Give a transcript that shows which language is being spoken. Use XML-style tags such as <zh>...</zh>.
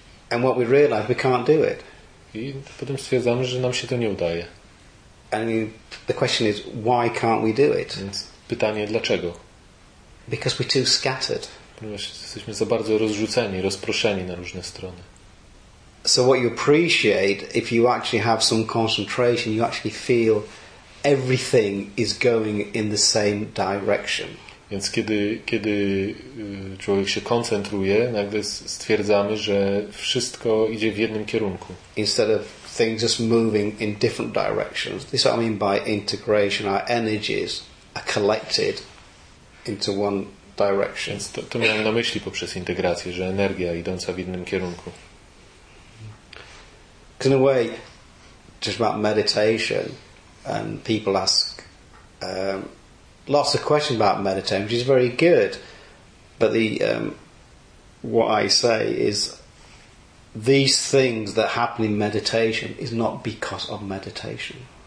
<en>And what we realize, we can't do it.</en> <pl>I potem stwierdzamy, że nam się to nie udaje.</pl> <en>And the question is, why can't we do it?</en> <pl>Więc pytanie, dlaczego?</pl> <en>Because we're too scattered.</en> <pl>Ponieważ jesteśmy za bardzo rozrzuceni, rozproszeni na różne strony.</pl> <en>So what you appreciate, if you actually have some concentration, you actually feel everything is going in the same direction.</en> <pl>Więc kiedy człowiek się koncentruje, nagle stwierdzamy, że wszystko idzie w jednym kierunku.</pl> <en>Instead of things just moving in different directions. This is what I mean by integration. Our energies are collected into one direction.</en> <pl>To miałem na myśli poprzez integrację, że energia idąca w jednym kierunku.</pl> <en>In a way, just about meditation, and people ask lots of questions about meditation, which is very good. But the what I say is, these things that happen in meditation is not because of meditation.</en>